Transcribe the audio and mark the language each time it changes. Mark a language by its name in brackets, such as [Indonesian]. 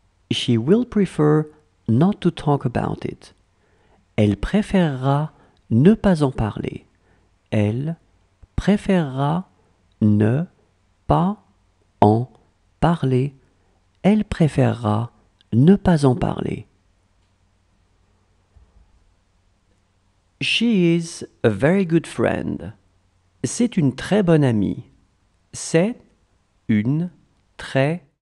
[English] She will prefer not to talk about it. [French] Elle préférera ne pas en parler. Elle préférera ne pas en parler. Elle préférera ne pas en parler. [English] She is a very good friend. [French] C'est une très bonne amie. C'est une très bonne amie.